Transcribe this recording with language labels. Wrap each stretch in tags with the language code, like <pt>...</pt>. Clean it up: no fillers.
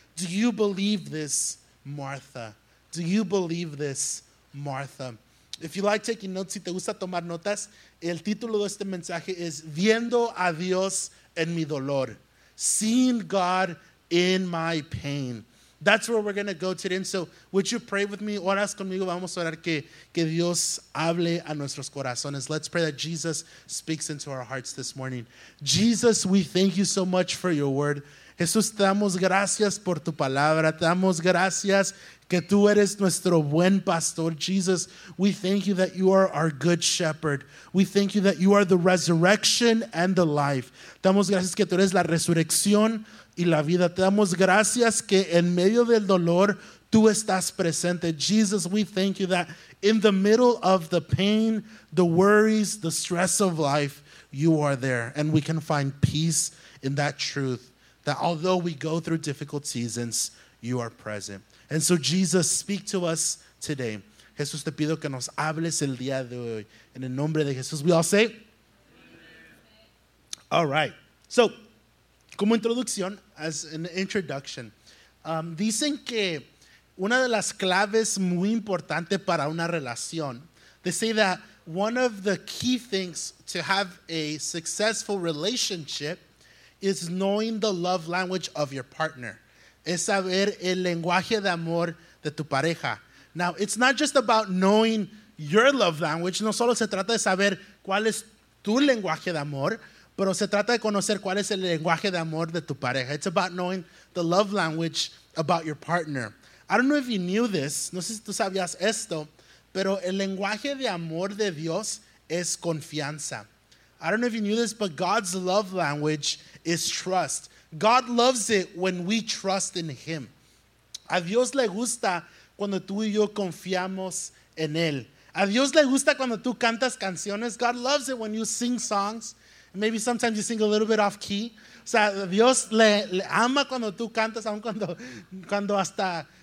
<en>Do you believe this, Martha? Do you believe this, Martha? If you like taking notes,</en> <es>si te gusta tomar notas, el título de este mensaje es Viendo a Dios en mi dolor.</es> <en>Seeing God in my pain. That's where we're going to go today. And so, would you pray with me?</en> <es>Oras conmigo. Vamos a orar que Dios hable a nuestros corazones.</es> <en>Let's pray that Jesus speaks into our hearts this morning. Jesus, we thank you so much for your word.</en> <es>Jesús, te damos gracias por tu palabra. Te damos gracias que tú eres nuestro buen pastor.</es> <en>Jesus, we thank you that you are our good shepherd. We thank you that you are the resurrection and the life.</en> <es>Te damos gracias que tú eres la resurrección y la vida. Te damos gracias que en medio del dolor tú estás presente.</es> <en>Jesus, we thank you that in the middle of the pain, the worries, the stress of life, you are there. And we can find peace in that truth. That although we go through difficult seasons, you are present. And so Jesus, speak to us today.</en> <es>Jesús, te pido que nos hables el día de hoy. En el nombre de Jesús,</es> <en>we all say. Amen. All right. So,</en> <es>como introducción,</es> <en>as an introduction.</en> <es>Dicen que una de las claves muy importante para una relación.</es> <en>They say that one of the key things to have a successful relationship is knowing the love language of your partner.</en> <es>Es saber el lenguaje de amor de tu pareja.</es> <en>Now, it's not just about knowing your love language.</en> <es>No solo se trata de saber cuál es tu lenguaje de amor, pero se trata de conocer cuál es el lenguaje de amor de tu pareja.</es> <en>It's about knowing the love language about your partner. I don't know if you knew this.</en> <es>No sé si tú sabías esto, pero el lenguaje de amor de Dios es confianza.</es> <en>I don't know if you knew this, but God's love language is trust. God loves it when we trust in him.</en> <es>A Dios le gusta cuando tú y yo confiamos en él. A Dios le gusta cuando tú cantas canciones.</es> <en>God loves it when you sing songs. Maybe sometimes you sing a little bit off key.</en> <es>O sea, Dios le ama cuando tú cantas, aun cuando hasta</es>